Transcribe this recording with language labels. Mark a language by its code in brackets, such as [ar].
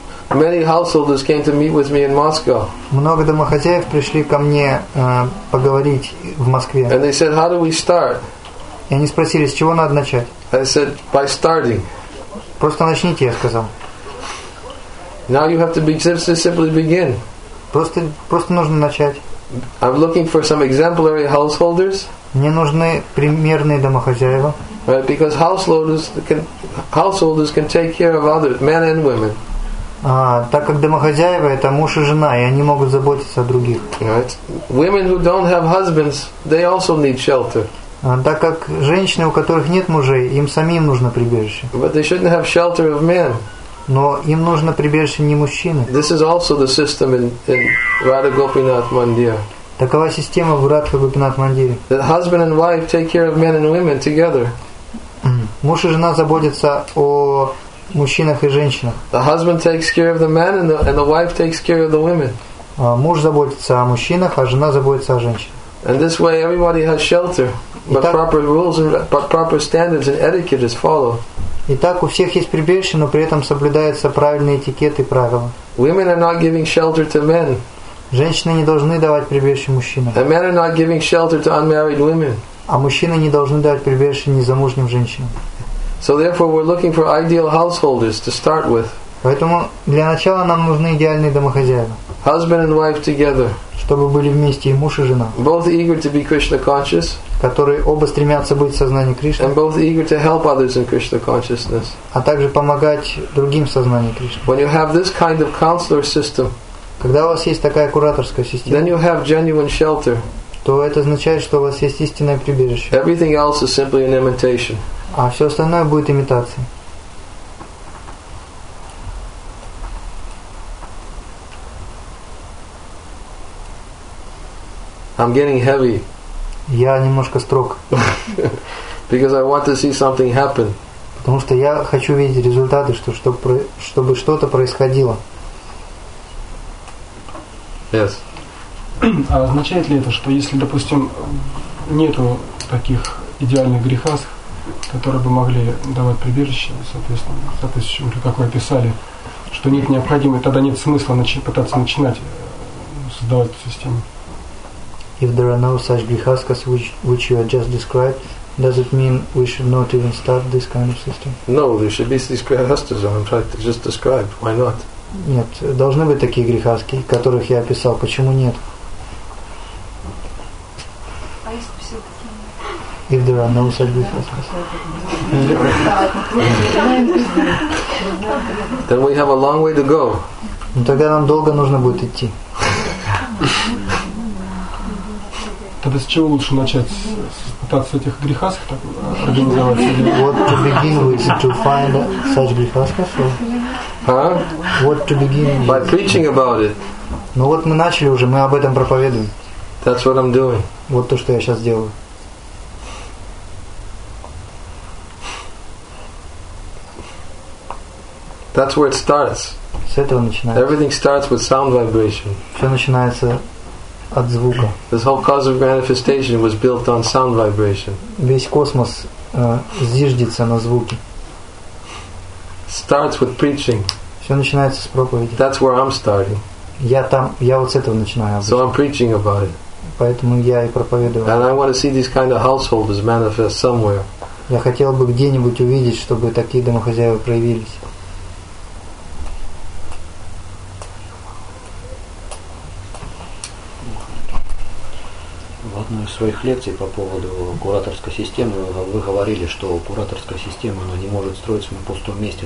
[en] So many householders came to meet with me in Moscow. [ru] Много домохозяев пришли ко мне поговорить в Москве. [en] And they said, "How do we start?" [ru] И они спросили, с чего надо начать? [en] I said, "By starting." [ru] Просто начните, я сказал. [en] Now you have to simply begin. [ru] Просто нужно начать. [en] I'm looking for some exemplary householders. [ru] Мне нужны примерные домохозяева. [en] Right, because householders can take care of others, men and women. [ru] Так как домохозяева это муж и жена, и они могут заботиться о других. [en] Right. Women who don't have husbands, they also need shelter. [ru] Так как женщины, у которых нет мужей, им самим нужно прибежище. [en] But they shouldn't have shelter of men. [ru] Но им нужно прибежище не мужчины. [en] This is also the system in Radha Gopinath Mandir. [ru] Такова система в Радха Гопинат Мандире. [en] That husband and wife take care of men and women together. [ru] Муж и жена заботятся о мужчинах и женщинах. [en] The husband takes care of the man and the wife takes care of the women. [ru] Муж заботится о мужчинах, а жена заботится о женщинах. [en] And this way everybody has shelter, but proper rules and proper standards and etiquette is followed. [ru] Итак, у всех есть прибежище, но при этом соблюдаются правильные этикеты и правила. [en] Women are not giving shelter to men. [ru] Женщины не должны давать прибежище мужчинам. [en] And men are not giving shelter to unmarried women. [ru] А мужчины не должны давать прибежище незамужним женщинам. [en] So therefore we're looking for ideal householders to start with. [ru] Поэтому для начала нам нужны идеальные домохозяева. [en] Husband and wife together. [ru] Чтобы были вместе и муж и жена. [en] Both eager to be Krishna conscious. [ru] Которые оба стремятся быть в сознании Кришны. [en] And both eager to help others in Krishna consciousness. [ru] А также помогать другим в сознании Кришны. [en] When you have this kind of counselor system. [ru] Когда у вас есть такая кураторская система. [en] Then you have genuine shelter. [ru] То это означает, что у вас есть истинное прибежище. [en] Everything else is simply an imitation. [ru] А все остальное будет имитацией. [en] I'm getting heavy. [ru] Я немножко строг. [en] Because I want to see something happen. [ru] Потому что я хочу видеть результаты, чтобы что-то происходило. [en] Yes. [ru] А означает ли это, что если, допустим, нету таких идеальных грехас, которые бы могли давать прибежище, соответственно, как вы описали, что нет необходимости, тогда нет смысла пытаться начинать создавать эту систему? [en] If there are no such grihaskas which you have just described, does it mean we should not even start this kind of system? No, there should be these grihaskas I'm trying to just describe. Why not? [ru] Нет, должны быть такие грихаски, которых я описал. Почему нет? [en] If there are no such grihaskas. Then we have a long way to go. [ru] Ну тогда нам долго нужно будет идти. Тогда с чего лучше начать? Пытаться этих грехасах так организовать? [en] What to begin with? To find such грехасах? Huh? What to begin with? By preaching about it. [ru] Ну вот мы начали уже, мы об этом проповедуем. [en] That's what I'm doing. [ru] Вот то, что я сейчас делаю. [en] That's where it starts. [ru] С этого начинается. [en] Everything starts with sound vibration. [ru] Все начинается от звука. [en] This whole cosmic manifestation was built on sound vibration. [ru] Весь космос зиждется на звуке. [en] Starts with preaching. [ru] Все начинается с проповеди. [en] That's where I'm starting. [ru] Я вот с этого начинаю. [en] So I'm preaching about it. [ru] Поэтому я и проповедую. [en] And I want to see these kind of householders manifest somewhere. [ru] Я хотел бы где-нибудь увидеть, чтобы такие домохозяева проявились. Ну, из своих лекций по поводу кураторской системы вы говорили, что кураторская система она не может строиться на пустом месте.